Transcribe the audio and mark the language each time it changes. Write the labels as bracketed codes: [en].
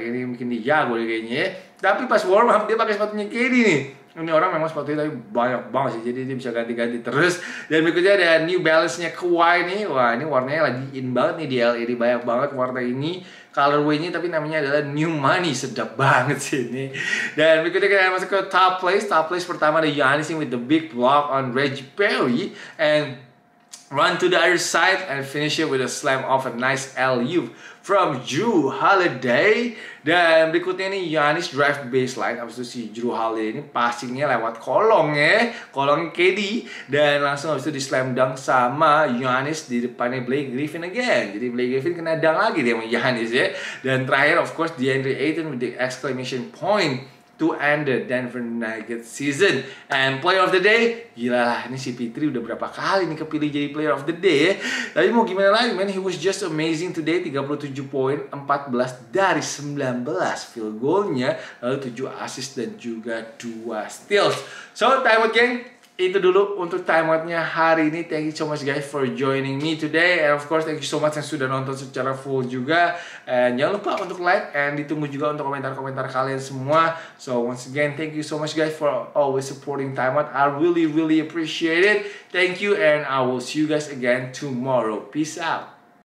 [id] Ini mungkin dia jago kayaknya ya. Tapi pas warm up dia pakai sepatunya KD nih. Ini orang memang sepatunya tapi banyak banget sih, jadi dia bisa ganti-ganti terus. Dan berikutnya ada New Balance-nya Kawhi nih. Wah ini warnanya lagi in banget nih di LA, ini banyak banget warna ini. Colorway-nya tapi namanya adalah New Money, sedap banget sih ini. Dan berikutnya kita masuk ke top place. [en] Top place pertama ada Giannis with the big block on Reggie Perry, and run to the other side and finish it with a slam off a nice alley-oop from Jrue Holiday. [id] Dan berikutnya ini Giannis drive baseline, abis itu si Jrue Holiday ini passing-nya lewat kolongnya, kolong KD, dan langsung abis itu di slam dunk sama Giannis di depannya Blake Griffin again. Jadi Blake Griffin kena dunk lagi dia sama Giannis ya. Dan terakhir [en] of course DeAndre Ayton with the exclamation point to end the Denver Nuggets season. [id] And player of the day, gila lah, ini si Pitri udah berapa kali nih kepilih jadi player of the day ya. Tapi mau gimana lagi, [en] man, he was just amazing today. [id] 37 poin, 14 dari 19 field goalnya, lalu 7 assist dan juga 2 steals. So, timeout gang, itu dulu untuk timeoutnya hari ini. [en] Thank you so much guys for joining me today. And of course, thank you so much [id] yang sudah nonton secara full juga. And jangan lupa untuk like. And ditunggu juga untuk komentar-komentar kalian semua. [en] So once again, thank you so much guys for always supporting timeout. I really, really appreciate it. Thank you and I will see you guys again tomorrow. Peace out.